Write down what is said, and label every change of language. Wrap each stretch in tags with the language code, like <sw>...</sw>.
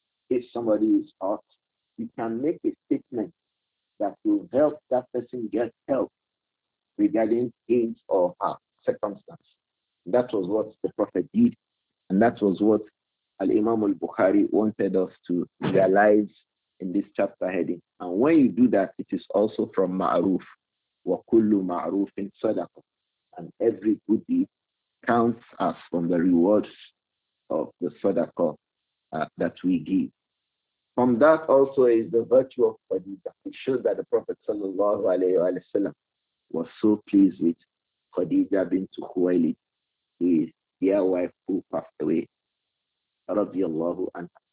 <en>If somebody is hurt, you can make a statement that will help that person get help regarding his or her circumstance. That was what the Prophet did. And that was what Al-Imam al-Bukhari wanted us to realize in this chapter heading. And when you do that, it is also from ma'ruf.</en> <ar>وَكُلُّ ma'rufin صَدَقَةٍ.</ar> <en>And every good deed counts us from the rewards of the sadaqah that we give. From that also is the virtue of Khadija. It shows that the Prophet sallallahu alayhi wa sallam was so pleased with Khadija bint Khuwailid, his dear wife who passed away, radiallahu anha.</en>